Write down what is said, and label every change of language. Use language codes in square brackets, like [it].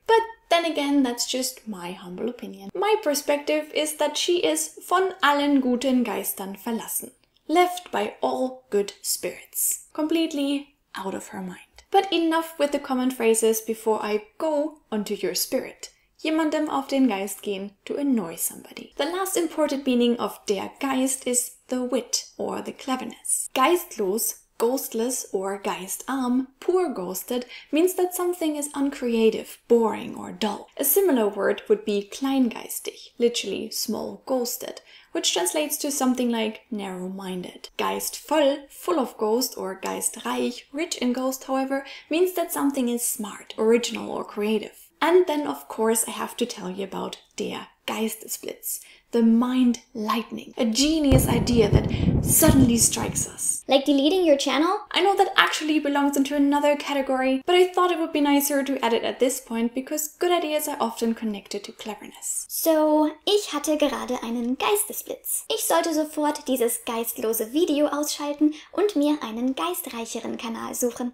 [en] But then again, that's just my humble opinion. My perspective is that she is [de] von allen guten Geistern verlassen, [en] left by all good spirits, completely out of her mind. But enough with the common phrases before I go onto your spirit. [de] Jemandem auf den Geist gehen, [en] to annoy somebody. The last important meaning of der Geist is the wit or the cleverness. Geistlos, ghostless or geistarm, poor ghosted, means that something is uncreative, boring or dull. A similar word would be kleingeistig, literally small ghosted, which translates to something like narrow-minded. Geistvoll, full of ghost, or geistreich, rich in ghost, however, means that something is smart, original or creative. And then, of course, I have to tell you about der Geistesblitz, the mind lightning, a genius idea that suddenly strikes us. Like deleting your channel? I know that actually belongs into another category, but I thought it would be nicer to add it at this point because good ideas are often connected to cleverness. [de] So, ich hatte gerade einen Geistesblitz. Ich sollte sofort dieses geistlose Video ausschalten und mir einen geistreicheren Kanal suchen.